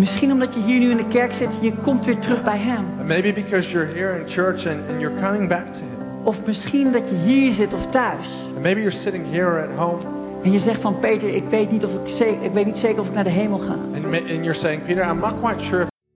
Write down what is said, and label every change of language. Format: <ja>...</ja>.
<nl>Misschien omdat je hier nu in de kerk zit en je komt weer terug bij hem.</nl> <en>And maybe because you're here in church and you're coming back to him.</en> <nl>Of misschien dat je hier zit of thuis.</nl> <en>And maybe you're sitting here at home.</en> <nl>En je zegt van Peter, ik weet niet zeker of ik naar de hemel ga.</nl> <en>And you're saying, Peter, I'm not quite sure if.</en>